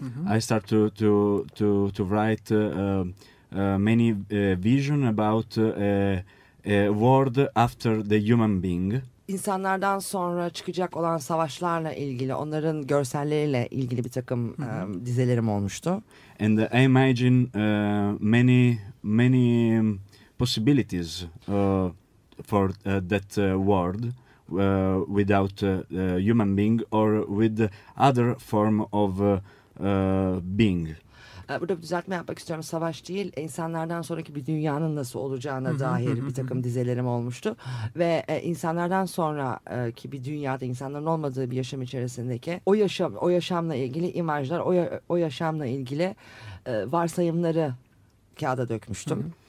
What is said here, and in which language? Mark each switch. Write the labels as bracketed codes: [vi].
[en] Mm-hmm. I start to write many vision about a world after the human being. [tr] İnsanlardan sonra çıkacak olan savaşlarla ilgili, onların görselleriyle ilgili bir takım dizelerim olmuştu. [en] And I imagine many many possibilities for that world without human being or with other form of being. [tr] Burada bir düzeltme yapmak istiyorum. Savaş değil, insanlardan sonraki bir dünyanın nasıl olacağına dair bir takım dizelerim olmuştu. Ve insanlardan sonraki bir dünyada, insanların olmadığı bir yaşam içerisindeki o yaşamla ilgili imajlar, o yaşamla ilgili varsayımları kağıda dökmüştüm.